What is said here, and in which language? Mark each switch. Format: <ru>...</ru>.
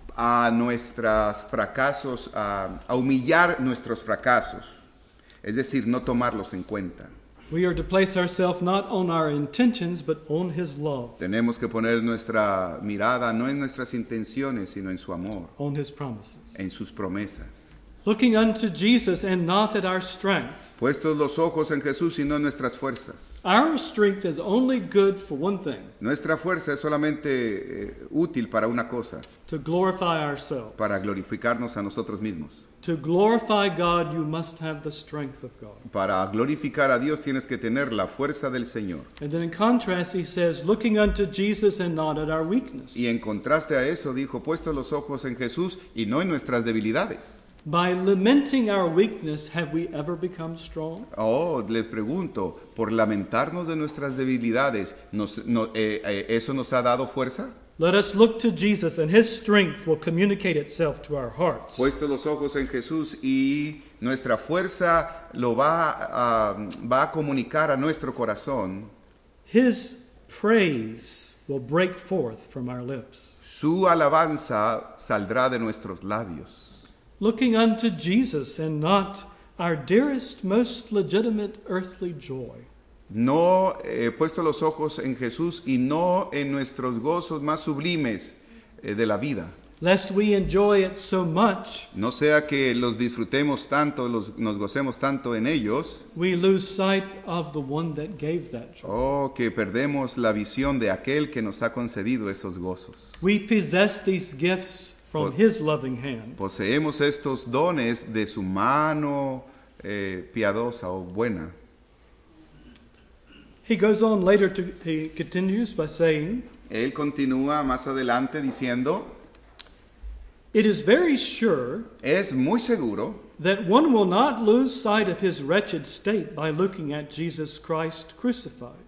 <es>A nuestros fracasos, a humillar nuestros fracasos. Es decir, no tomarlos en cuenta.</es> <en>We are to place ourselves not on our intentions, but on His love.</en> <es>Tenemos que poner nuestra mirada no en nuestras intenciones, sino en su amor.</es> <en>On His promises.</en> <es>En sus promesas.</es> <en>Looking unto Jesus and not at our strength.</en> <es>Puestos los ojos en Jesús y no en nuestras fuerzas.</es> <en>Our strength is only good for one thing.</en> <es>Nuestra fuerza es solamente útil para una cosa.</es> <en>To glorify ourselves.</en> <es>Para glorificarnos a nosotros mismos.</es> <en>To glorify God, you must have the strength of God.</en> <es>Para glorificar a Dios tienes que tener la fuerza del Señor.</es> <en>And then in contrast he says, looking unto Jesus and not at our weakness.</en> <es>Y en contraste a eso dijo, puestos los ojos en Jesús y no en nuestras debilidades.</es> <en>By lamenting our weakness, have we ever become strong?</en> <es>Oh, les pregunto, por lamentarnos de nuestras debilidades, ¿eso nos ha dado fuerza?</es> <en>Let us look to Jesus, and His strength will communicate itself to our hearts.</en> <es>Puesto los ojos en Jesús, y nuestra fuerza lo va a comunicar a nuestro corazón.</es> <en>His praise will break forth from our lips.</en> <es>Su alabanza saldrá de nuestros labios.</es> <en>Looking unto Jesus and not our dearest, most legitimate earthly joy.</en> <es>No he puesto los ojos en Jesús y no en nuestros gozos más sublimes de la vida.</es> <en>Lest we enjoy it so much.</en> <es>No sea que los disfrutemos tanto, nos gocemos tanto en ellos.</es> <en>We lose sight of the one that gave that joy.</en> <es>Oh, que perdemos la visión de aquel que nos ha concedido esos gozos.</es> <en>We possess these gifts from His loving hand.</en> <es>Poseemos estos dones de su mano piadosa o buena.</es> <en>He goes on later to, he continues by saying,</en> <es>él continúa más adelante diciendo,</es> <en>it is very sure,</en> <es>es muy seguro,</es> <en>that one will not lose sight of his wretched state by looking at Jesus Christ crucified.</en>